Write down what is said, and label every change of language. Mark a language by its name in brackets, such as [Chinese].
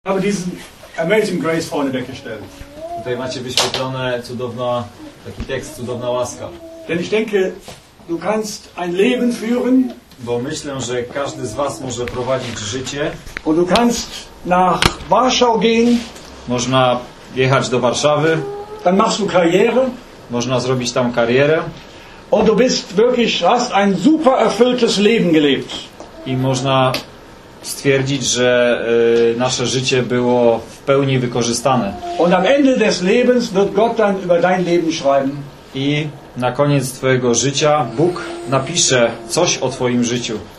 [German] Aber diesen Amazing Grace vorne weggestellt. [Polish] Tutaj macie wyświetlone cudowna, taki tekst, cudowna łaska. [German] Denn ich denke, du kannst ein Leben führen. [Polish] Bo myślę, że każdy z was może prowadzić życie. [German] Und du kannst nach Warschau gehen. [Polish] Można jechać do Warszawy. [German] Dann machst du Karriere. [Polish] Można zrobić tam karierę. [German] Und du bist wirklich, hast ein super erfülltes Leben gelebt. [Polish] I można stwierdzić, że nasze życie było w pełni wykorzystane. [German] Und am Ende des Lebens wird Gott dann über dein Leben schreiben. [Polish] I na koniec twojego życia Bóg napisze coś o twoim życiu.